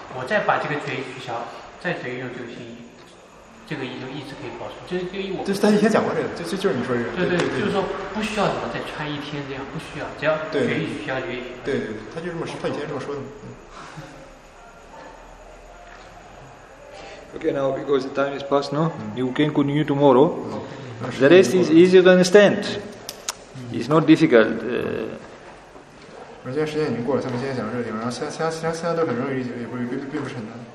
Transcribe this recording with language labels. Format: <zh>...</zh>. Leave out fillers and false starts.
<zh>我再把这个决议取消，再决议用这个新衣，这个衣就一直可以保存。就是这个衣我就是他以前讲过这个，就是你说这个。对，就是说不需要怎么再穿一天这样，不需要，只要决议取消，决议取消。对，他就这么说，他以前这么说的。</zh> <en>Okay, now because the time is past now, you can continue tomorrow. The rest is easier to understand. It's not difficult.</en> <zh>而且时间已经过了，咱们今天讲到这个地方，然后其他都很容易理解，也不是并不是很难。</zh>